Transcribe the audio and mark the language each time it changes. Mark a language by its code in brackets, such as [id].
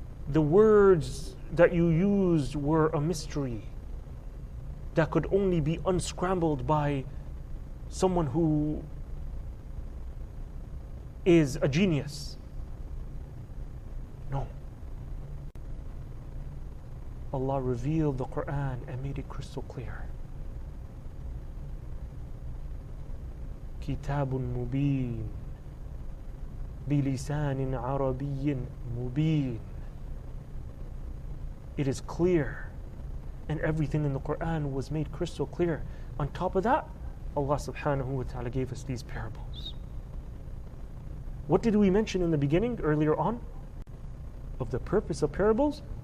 [en] The words that you used were a mystery that could only be unscrambled by someone who is a genius. No. Allah revealed the Quran and made it crystal clear. [ar] كتاب مبين بلسان عربي مبين. [en] It is clear, and everything in the Quran was made crystal clear. On top of that, Allah subhanahu wa ta'ala gave us these parables. What did we mention in the beginning, earlier on, of the purpose of parables?